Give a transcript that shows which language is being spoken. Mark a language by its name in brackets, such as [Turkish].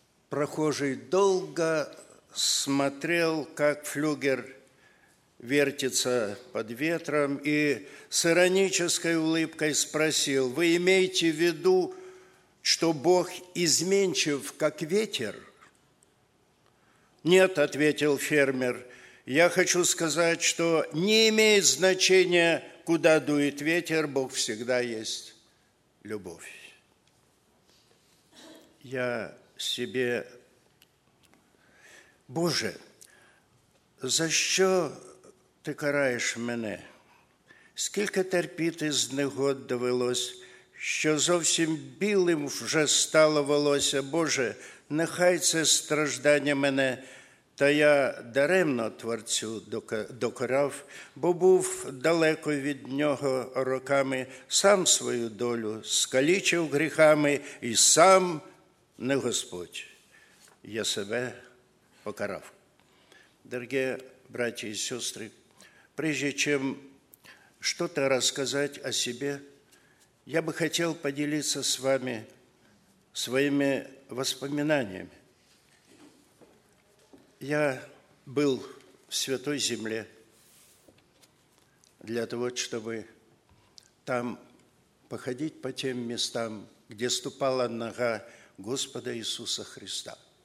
[Russian] Прохожий долго смотрел, как флюгер вертится под ветром, и с иронической улыбкой спросил: «Вы имеете в виду, что Бог изменчив, как ветер?» «Нет», – ответил фермер, – «я хочу сказать, что не имеет значения, куда дует ветер, Бог всегда есть любовь». [Ukrainian] Я себе: «Боже, за що ти караєш мене? Скільки терпіти з негод довелось, що зовсім білим вже стало волосся. Боже, нехай це страждання мене, та я даремно Творцю докорав, бо був далеко від нього роками, сам свою долю скалічив гріхами, і сам не Господь, я себе покарав». Дорогі браті і сестри, [Russian] прежде чем что-то рассказать о себе, я бы хотел поделиться с вами своими воспоминаниями. Я был в Святой Земле для того, чтобы там походить по тем местам, где ступала нога Господа Иисуса Христа.